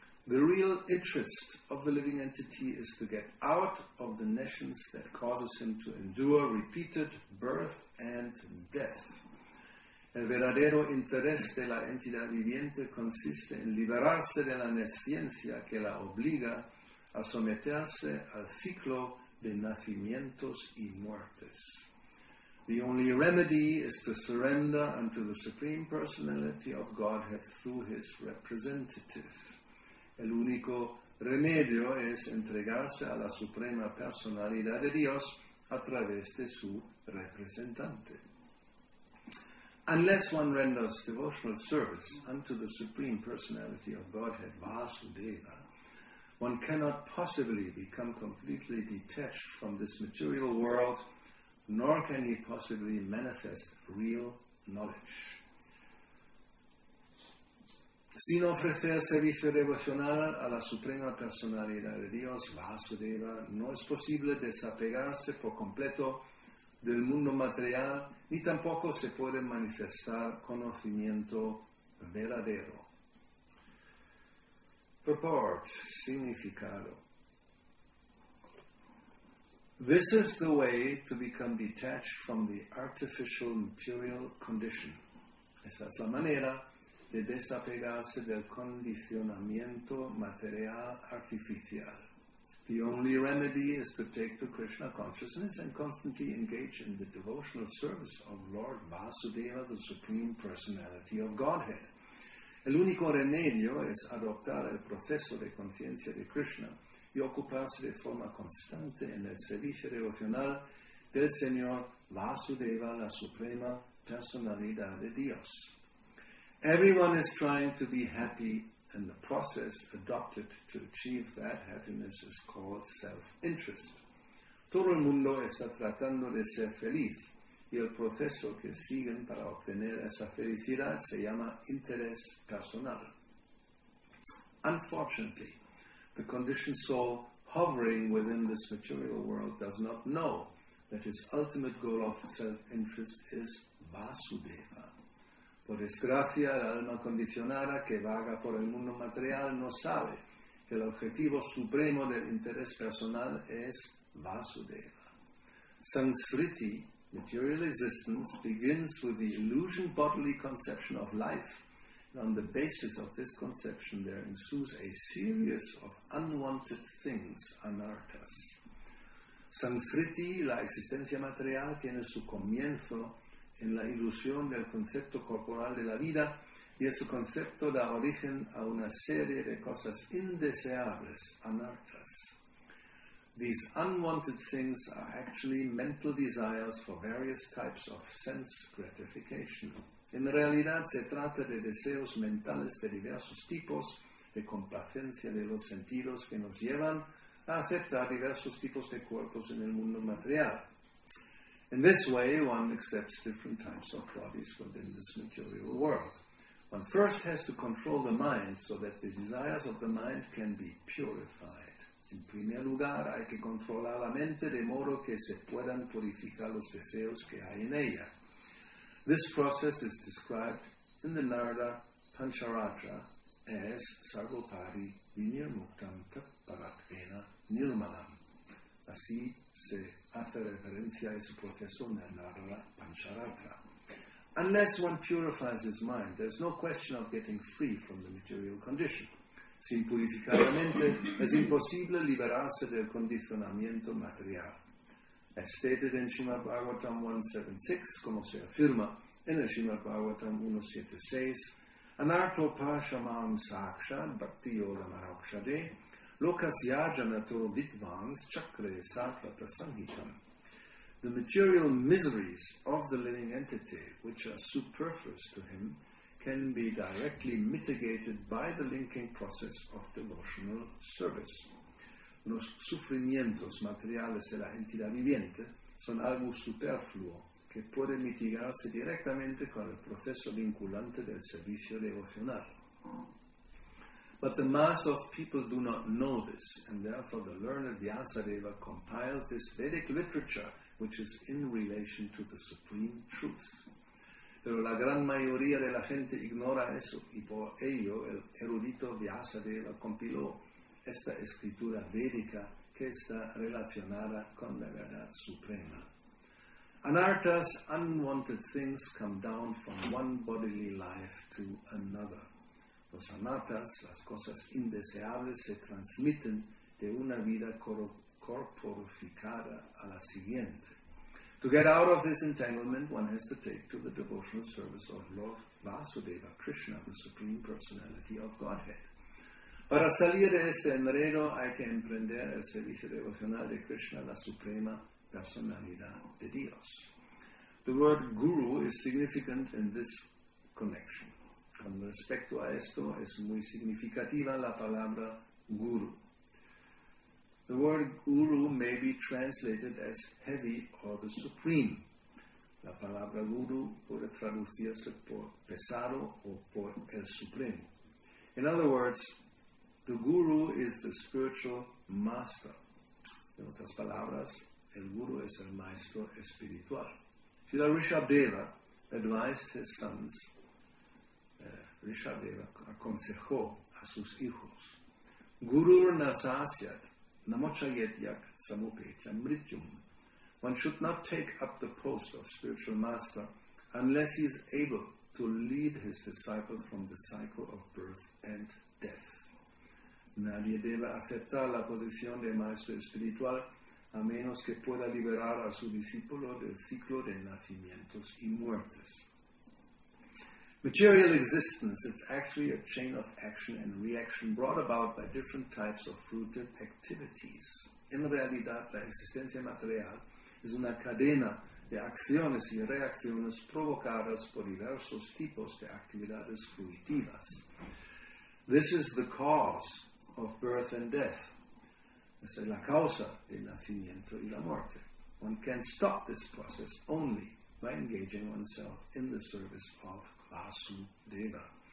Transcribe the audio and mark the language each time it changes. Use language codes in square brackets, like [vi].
[en] The real interest of the living entity is to get out of the nations that causes him to endure repeated birth and death. [es] El verdadero interés de la entidad viviente consiste en liberarse de la nesciencia que la obliga a someterse al ciclo de nacimientos y muertes. [en] The only remedy is to surrender unto the Supreme Personality of Godhead through His representative. [es] El único remedio es entregarse a la Suprema Personalidad de Dios a través de su representante. [en] Unless one renders devotional service unto the Supreme Personality of Godhead, Vasudeva, one cannot possibly become completely detached from this material world, nor can he possibly manifest real knowledge. [es] Sin ofrecer servicio devocional a la Suprema Personalidad de Dios, Vasudeva, no es posible desapegarse por completo del mundo material, ni tampoco se puede manifestar conocimiento verdadero. [en] Purport, significado. This is the way to become detached from the artificial material condition. [es] Esa es la manera de desapegarse del condicionamiento material artificial. [en] The only remedy is to take to Krishna consciousness and constantly engage in the devotional service of Lord Vasudeva, the Supreme Personality of Godhead. [es] El único remedio es adoptar el proceso de conciencia de Krishna y ocuparse de forma constante en el servicio devocional del Señor Vasudeva, la Suprema Personalidad de Dios. [en] Everyone is trying to be happy, and the process adopted to achieve that happiness is called self-interest. [es] Todo el mundo está tratando de ser feliz, y el proceso que siguen para obtener esa felicidad se llama interés personal. [en] Unfortunately, the conditioned soul hovering within this material world does not know that its ultimate goal of self-interest is Vasudeva. [es] Por desgracia, el alma condicionada que vaga por el mundo material no sabe que el objetivo supremo del interés personal es Vasudeva. [en] Sanskriti, material existence, begins with the illusion bodily conception of life, and on the basis of this conception there ensues a series of unwanted things, anarthas. [es] Sanskriti, la existencia material, tiene su comienzo en la ilusión del concepto corporal de la vida, y ese concepto da origen a una serie de cosas indeseables, anarthas. [en] These unwanted things are actually mental desires for various types of sense gratification. [es] En realidad se trata de deseos mentales de diversos tipos, de complacencia de los sentidos que nos llevan a aceptar diversos tipos de cuerpos en el mundo material. [en] In this way, one accepts different types of bodies within this material world. One first has to control the mind so that the desires of the mind can be purified. [es] En primer lugar, hay que controlar la mente de modo que se puedan purificar los deseos que hay en ella. [en] This process is described in the Narada Pancharatra as [sa] Sarvopari Vinirmuktam Tatparatvena Nirmalam. [es] Así se hace referencia a ese proceso en el Narada Pancharatra. [en] Unless one purifies his mind, there's no question of getting free from the material condition. [es] Sin purificar la mente, es imposible liberarse del condicionamiento material. [en] È stated in Srimad Bhagavatam 176, [it] come si afferma in Srimad Bhagavatam 176, [sa] Anarto Pashamam Sakshad Bhakti Yolamarakshade Lokasya Janato Vidvans Chakre Satvata Sanghitam. [en] The material miseries of the living entity, which are superfluous to him, can be directly mitigated by the linking process of devotional service. [es] Los sufrimientos materiales de la entidad viviente son algo superfluo que puede mitigarse directamente con el proceso vinculante del servicio devocional. [en] But the mass of people do not know this, and therefore the learned Vyasadeva compiled this Vedic literature, which is in relation to the supreme truth. [es] Pero la gran mayoría de la gente ignora eso, y por ello el erudito Vyasadeva compiló esta escritura védica que está relacionada con la verdad suprema. [en] Anarthas, unwanted things, come down from one bodily life to another. [es] Los anarthas, las cosas indeseables, se transmiten de una vida corporificada a la siguiente. [en] To get out of this entanglement, one has to take to the devotional service of Lord Vasudeva Krishna, the Supreme Personality of Godhead. [es] Para salir de este enredo hay que emprender el servicio devocional de Krishna, la Suprema Personalidad de Dios. [en] The word guru is significant in this connection. [es] Con respecto a esto, es muy significativa la palabra guru. [en] The word guru may be translated as heavy or the supreme. [es] La palabra guru puede traducirse por pesado o por el supremo. [en] In other words, the guru is the spiritual master. [es] En otras palabras, el guru es el maestro espiritual. [en] Srila Rishabdeva advised his sons, [es] Rishabdeva aconsejó a sus hijos, [sa] Gurur nasasyat namochayet yak samupetyam mrityum. [en] One should not take up the post of spiritual master unless he is able to lead his disciple from the cycle of birth and death. [es] Nadie debe aceptar la posición de maestro espiritual a menos que pueda liberar a su discípulo del ciclo de nacimientos y muertes. [en] Material existence is actually a chain of action and reaction brought about by different types of fruited activities. [es] En realidad, la existencia material es una cadena de acciones y reacciones provocadas por diversos tipos de actividades fruitivas. [en] This is the cause of birth and death. [es] Esa es la causa del nacimiento y la muerte. [en] One can stop this process only by engaging oneself in the service of Vasudeva.